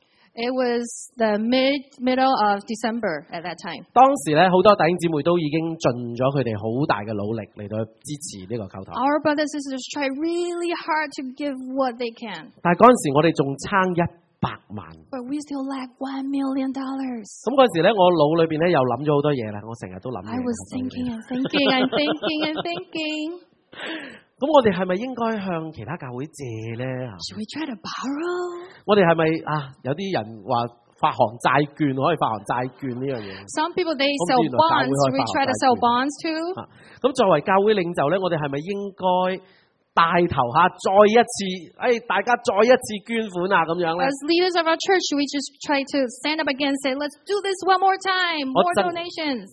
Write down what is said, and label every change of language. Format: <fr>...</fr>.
<en>It was the middle of December at that time.</en> <yue>當時咧，好多弟兄姊妹都已經盡咗佢哋好大嘅努力嚟到支持呢個教堂。</yue> <en>Our brothers and sisters try really hard to give what they can.</en> <yue>但係嗰陣時，我哋仲差100,000。</yue> <en>But we still lack $1 million.</en> <yue>咁嗰陣時咧，我腦裏邊咧又諗咗好多嘢啦，我成日都諗。</yue> <en>I was thinking and thinking and thinking and thinking.</en> <yue>咁我哋系咪应该向其他教会借咧？</yue> <en>Should we try to borrow?</en> <yue>我哋系咪啊？有啲人话发行债券可以发行债券呢样嘢。</yue> <en>Some people they sell bonds. Should we try to sell bonds too?</en> <yue>咁作为教会领袖咧，我哋系咪应该带头吓再一次？哎，大家再一次捐款啊，咁样咧。</yue> <en>As leaders of our church, should we just try to stand up again, say, "Let's do this one more time, more donations."</en>